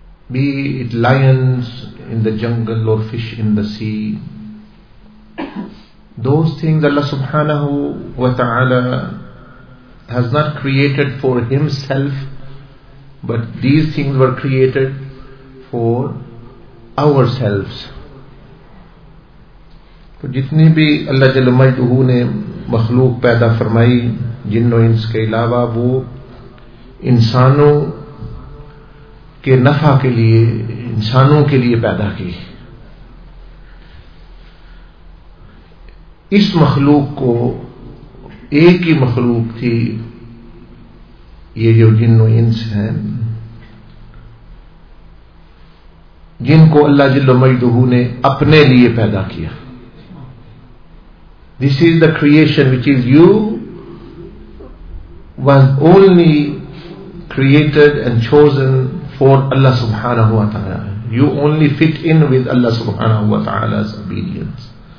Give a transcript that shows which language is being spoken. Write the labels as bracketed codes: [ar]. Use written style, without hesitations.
[en] be it lions in the jungle or fish in the sea, those things Allah subhanahu wa ta'ala has not created for Himself, but these things were created for ourselves. [ur] تو جتنی بھی اللہ جل مجدہ نے مخلوق پیدا فرمائی جن و انس کے علاوہ وہ انسانوں کے نفع کے لیے انسانوں کے لیے پیدا کی. اس مخلوق کو ایک ہی مخلوق تھی یہ جو جن و انس ہیں جن کو اللہ جل مجدہ نے اپنے لیے پیدا کیا. [en] This is the creation which is you was only created and chosen for Allah subhanahu wa ta'ala. You only fit in with Allah subhanahu wa ta'ala's obedience.